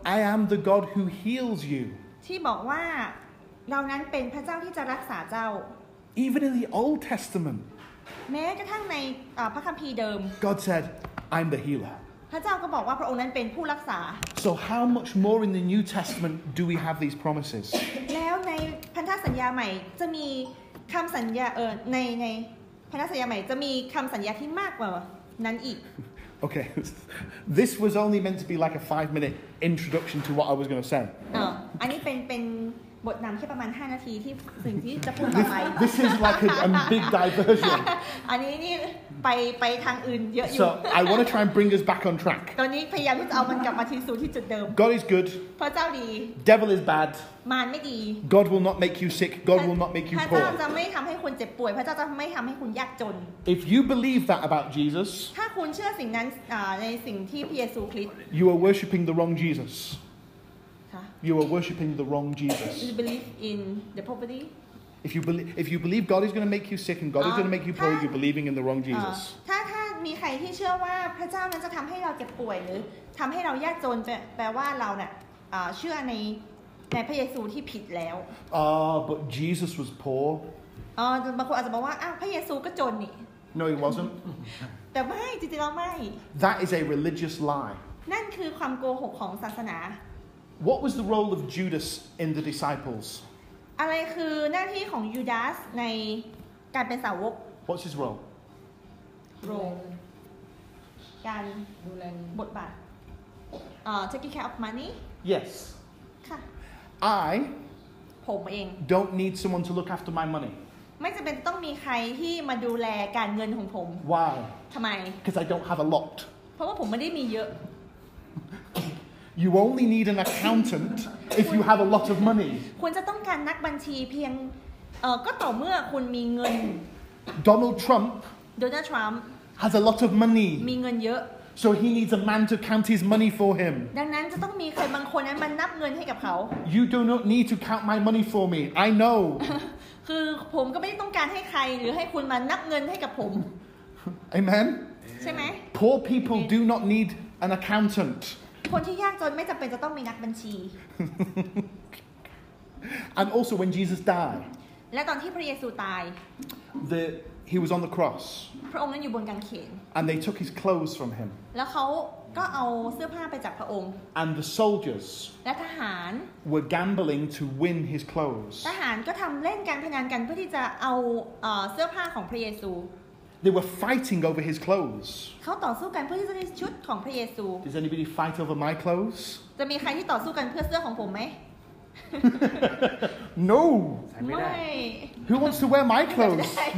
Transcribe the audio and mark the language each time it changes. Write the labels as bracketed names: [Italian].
[English] I am the God who heals you [Thai] ที่บอกว่าเรานั้นเป็นพระเจ้าที่จะรักษาเจ้า [English] Even in the Old Testament [Thai] แม้กระทั่งในพระคัมภีร์เดิม [English] God said I'm the healer [Thai] พระเจ้าก็บอกว่าพระองค์นั้นเป็นผู้รักษา [English] So how much more in the New Testament do we have these promises [Thai] แล้วในพันธสัญญาใหม่จะมีคำสัญญาในพันธสัญญาใหม่จะมีคำสัญญาที่มากกว่านั้นอีก [English] Okay, this was only meant to be like a 5-minute introduction to what I was going to say. [Thai] อันนี้เป็นบทนำแค่ประมาณ5นาทีที่สิ่งที่จะพูดต่อไป [English] This is like a big diversion. [Thai] อันนี้นี่ไปทางอื่นเยอะอยู่ [English] So I want to try and bring us back on track. [Thai] ตอนนี้พยายามที่จะเอามันกลับมาที่ศูนย์ที่จุดเดิม [English] God is good. [Thai] พระเจ้าดี [English] Devil is bad. [Thai] มารไม่ดี [English] God will not make you sick. God will not make you poor. [Thai] พระเจ้าจะไม่ทำให้คุณเจ็บป่วยพระเจ้าจะไม่ทำให้คุณยากจน [English] If you believe that about Jesus, [Thai] ถ้าคุณเชื่อสิ่งนั้นในสิ่งที่พระเยซูคริสต์ [English] You are worshiping the wrong Jesus. You are worshiping the wrong Jesus. You believe in the poverty. If you believe God is going to make you sick and God is going to make you poor, you're believing in the wrong Jesus. [Thai] ถ้ามีใครที่เชื่อว่าพระเจ้านั้นจะทำให้เราเจ็บป่วยหรือทำให้เรายากจนแปลว่าเราเนี่ยเชื่อในพระเยซูที่ผิดแล้ว [English] But Jesus was poor. [Thai] บางคนอาจจะบอกว่าพระเยซูก็จนนี่ [English] No, he wasn't. [Thai] แต่ไม่จริงๆแล้วไม่ [English] That is a religious lie. [Thai] นั่นคือความโกหกของศาสนา [English] What was the role of Judas in the disciples? [Thai] อะไรคือหน้าที่ของยูดาสในการเป็นสาวก [English] What's his role? [Thai] การดูแลบทบาท [English] taking care of money? Yes. [Thai] ค่ะ [English] I [Thai] ผมเอง [English] don't need someone to look after my money. [Thai] ไม่จำเป็นต้องมีใครที่มาดูแลการเงินของผม [English] Why? [Thai] ทำไม [English] Because I don't have a lot. [Thai] เพราะว่าผมไม่ได้มีเยอะ [English] You only need an accountant if you have a lot of money. [Thai] คุณจะต้องการนักบัญชีเพียงก็ต่อเมื่อคุณมีเงิน [English] Donald Trump has a lot of money. [Thai] มีเงินเยอะ [English] So he needs a man to count his money for him. [Thai] ดังนั้นจะต้องมีใครบางคนนั้นมานับเงินให้กับเขา [English] You do not need to count my money for me. I know. [Thai] คือผมก็ไม่ได้ต้องการให้ใครหรือให้คุณมานับเงินให้กับผม [English] Amen. [Thai] ใช่ไหม [English] Poor people do not need an accountant. [Thai] คนที่ยากจนไม่จำเป็นจะต้องมีนักบัญชี [English] And also when Jesus died [Thai] และตอนที่พระเยซูตาย [English] He was on the cross [Thai] พระองค์นั้นอยู่บนกางเขน [English] And they took his clothes from him [Thai] แล้วเขาก็เอาเสื้อผ้าไปจากพระองค์ [English] And the soldiers [Thai] และทหาร [English] were gambling to win his clothes [Thai] ทหารก็ทำเล่นการพนันกันเพื่อที่จะเอาเสื้อผ้าของพระเยซู [English] They were fighting over his clothes. [Thai] เขาต่อสู้กันเพื่อที่จะชุดของพระเยซู [English] Does anybody fight over my clothes? [Thai] จะมีใครที่ต่อสู้กันเพื่อเสื้อของผมไหม [English] No. [Thai] ไม่ [English] Who wants to wear my clothes?